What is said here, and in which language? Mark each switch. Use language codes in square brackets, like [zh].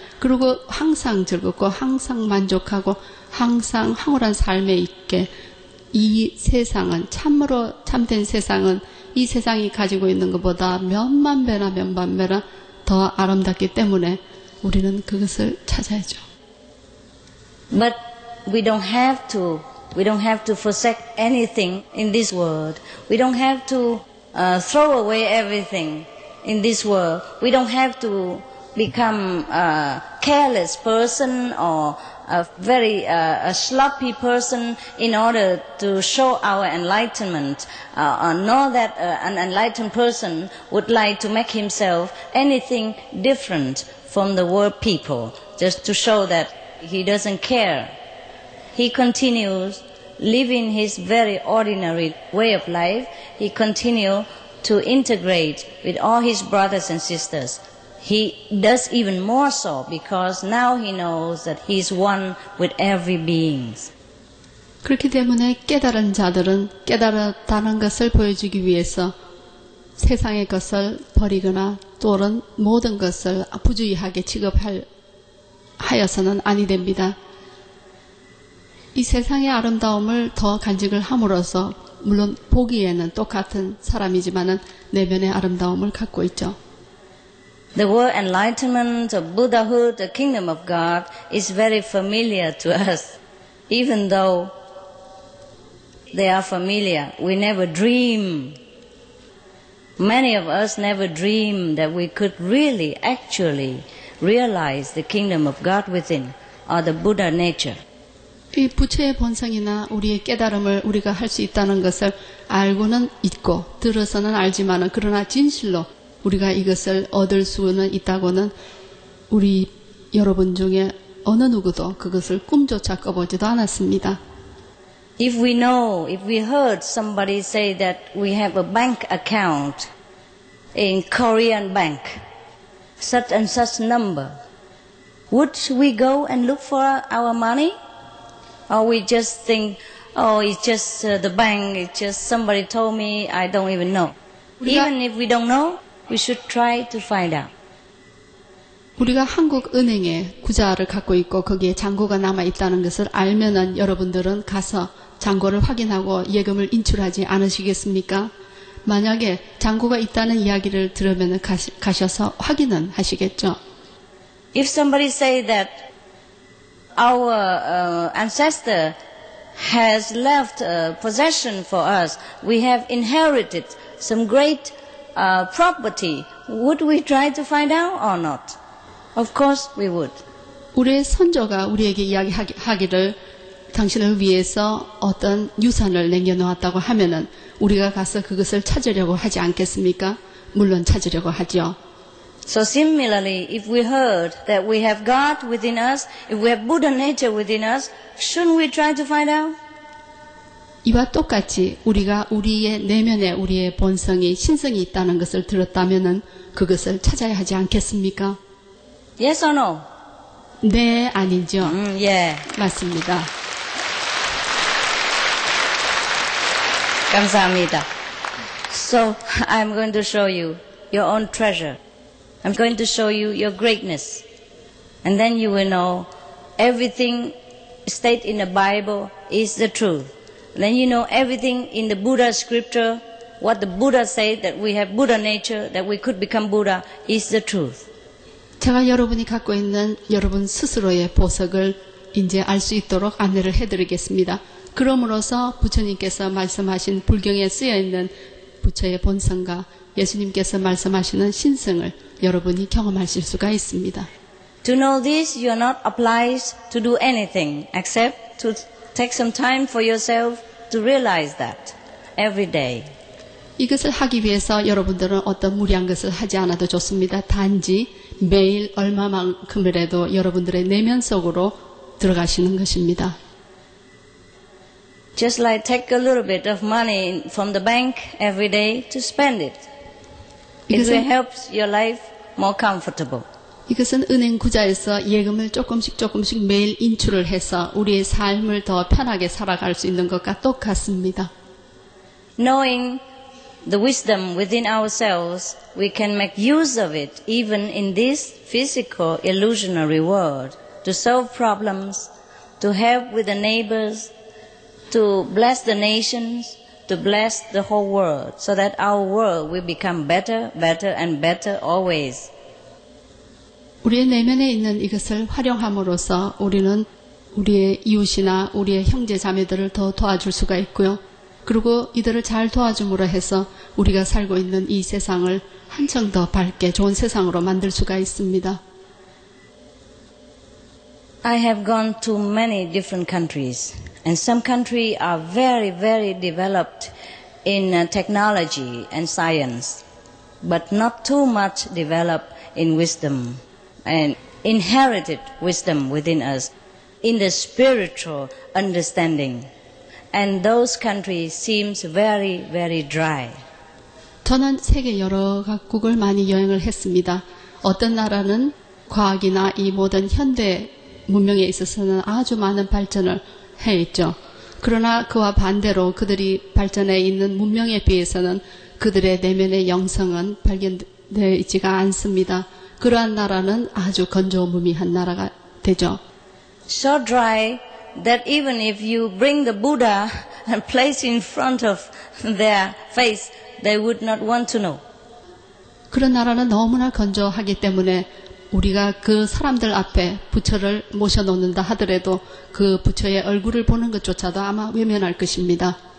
[ko] 그리고 항상 즐겁고 항상 만족하고 항상 황홀한 삶에 있게 이 세상은 참으로 참된 세상은 이 세상이 가지고 있는 것보다 몇만 배나 몇만 배나 더 아름답기 때문에 우리는 그것을 찾아야죠. [en] But we don't have to forsake anything in this world. We don't have to throw away everything in this world. We don't have to become a careless person or a very a sloppy person in order to show our enlightenment, nor that an enlightened person would like to make himself anything different from the world people, just to show that he doesn't care. He continues living his very ordinary way of life. He continues to integrate with all his brothers and sisters. He does even more so because now he knows that he is one with every being. [ko] 그렇기 때문에 깨달은 자들은 깨달았다는 것을 보여주기 위해서 세상의 것을 버리거나 또는 모든 것을 부주의하게 취급하여서는 아니 됩니다. 이 세상의 아름다움을 더 간직을 함으로써 물론 보기에는 똑같은 사람이지만은 내면의 아름다움을 갖고 있죠. [en] The word enlightenment of Buddhahood, the kingdom of God, is very familiar to us. Even though they are familiar, we never dream. Many of us never dream that we could really, actually realize the kingdom of God within, or the Buddha nature. [ko] 이 부처의 본성이나 우리의 깨달음을 우리가 할 수 있다는 것을 알고는 있고 들어서는 알지만 그러나 진실로 우리가 이것을 얻을 수는 있다고는 우리 여러분 중에 어느 누구도 그것을 꿈조차 꿔보지도 않았습니다. [en] If we know, if we heard somebody say that we have a bank account in Korean bank, such and such number, would we go and look for our money? Or we just think, oh, it's just the bank, it's just somebody told me, I don't even know. Even if we don't know, we should try to find out. [ko] 우리가 한국은행에 구좌를 갖고 있고 거기에 잔고가 남아있다는 것을 알면은 여러분들은 가서 잔고를 확인하고 예금을 인출하지 않으시겠습니까? 만약에 잔고가 있다는 이야기를 들으면은 가셔서 확인은 하시겠죠? [en] If somebody say that our ancestor has left a possession for us, we have inherited some great property, would we try to find out or not? Of course we would. [ko] 우리의 선조가 우리에게 이야기하기를 당신을 위해서 어떤 유산을 남겨놓았다고 하면은 우리가 가서 그것을 찾으려고 하지 않겠습니까? 물론 찾으려고 하죠. [en] So similarly, if we heard that we have God within us, if we have Buddha nature within us, shouldn't we try to find out? [ko] 이와 똑같이 우리가 우리의 내면에 우리의 본성이 신성이 있다는 것을 들었다면은 그것을 찾아야 하지 않겠습니까? [en] Yes or no? [ko] 네, 아니죠. 예. 맞습니다. 감사합니다. [en] So I'm going to show you your own treasure. I'm going to show you your greatness. And then you will know everything stated in the Bible is the truth. Then you know everything in the Buddha scripture, what the Buddha said that we have Buddha nature, that we could become Buddha is the truth. [ko] 제가 여러분이 갖고 있는 여러분 스스로의 보석을 이제 알 수 있도록 안내를 해드리겠습니다. 그러므로서 부처님께서 말씀하신 불경에 쓰여 있는 부처의 본성과 예수님께서 말씀하시는 신성을 여러분이 경험하실 수가 있습니다. [en] To know this, you are not obliged to do anything except to take some time for yourself to realize that every day. [ko] 이것을 하기 위해서 여러분들은 어떤 무리한 것을 하지 않아도 좋습니다. 단지 매일 얼마만큼이라도 여러분들의 내면 속으로 들어가시는 것입니다. [en] Just like take a little bit of money from the bank every day to spend it. It will help your life more comfortable. [ko] 이것은 은행 구좌에서 예금을 조금씩 조금씩 매일 인출을 해서 우리의 삶을 더 편하게 살아갈 수 있는 것과 똑같습니다. [en] Knowing the wisdom within ourselves, we can make use of it even in this physical illusionary world to solve problems, to help with the neighbors, to bless the nations, to bless the whole world, so that our world will become better, better and better always. [ko] 우리의 내면에 있는 이것을 활용함으로써 우리는 우리의 이웃이나 우리의 형제 자매들을 더 도와줄 수가 있고요. 그리고 이들을 잘 도와줌으로 해서 우리가 살고 있는 이 세상을 한층 더 밝게 좋은 세상으로 만들 수가 있습니다. [en] I have gone to many different countries. And some countries are very, very developed in technology and science. But not too much developed in wisdom. And inherited wisdom within us in the spiritual understanding. And those countries seem very, very dry. [ko] 저는 세계 여러 각국을 많이 여행을 했습니다. 어떤 나라는 과학이나 이 모든 현대 문명에 있어서는 아주 많은 발전을 해 있죠. 그러나 그와 반대로 그들이 발전해 있는 문명에 비해서는 그들의 내면의 영성은 발견되어 있지가 않습니다. 그러한 나라는 아주 건조무미한 나라가 되죠. [en] So dry that even if you bring the Buddha and place in front of their face, they would not want to know. [ko] 그런 나라는 너무나 건조하기 때문에 우리가 그 사람들 앞에 부처를 모셔놓는다 하더라도 그 부처의 얼굴을 보는 것조차도 아마 외면할 것입니다.